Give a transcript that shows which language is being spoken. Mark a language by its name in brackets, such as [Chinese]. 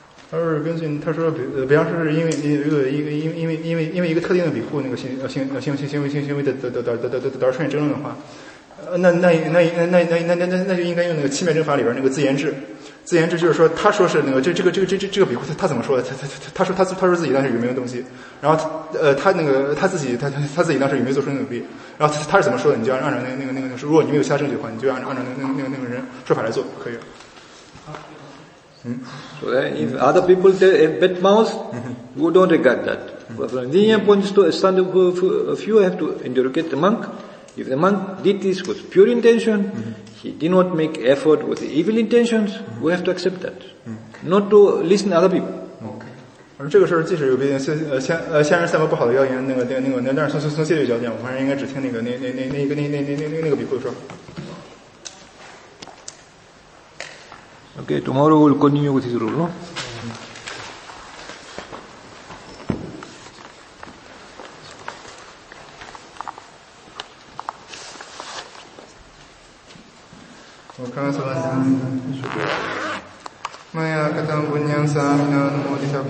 [Chinese] 而根据他说，比方说是因为一个特定的比库那个行为的出现争论的话，那就应该用那个七面正法里边那个自言智，自言智就是说他说是那个这个比库他怎么说的，他说自己当时有没有东西，然后他自己当时有没有做出努力，然后他是怎么说的，你就按照那个如果你没有其他证据的话，你就按照那个人说法来做可以。 [English] So if other people tell a bad mouth, we don't regard that. But from the point of view, you have to interrogate the monk. If the monk did this with pure intention, he did not make effort with evil intentions, we have to accept that. Not to listen to other people. Okay. [Chinese] 而这个事儿即使有别人先人散播不好的谣言，那个，但是从戒律角度讲，我们应该只听那个比库说。 [English] Okay, tomorrow we'll continue with his rule, no? Okay, so let's go. [Pali] Maya katam punyam samina namoditabha.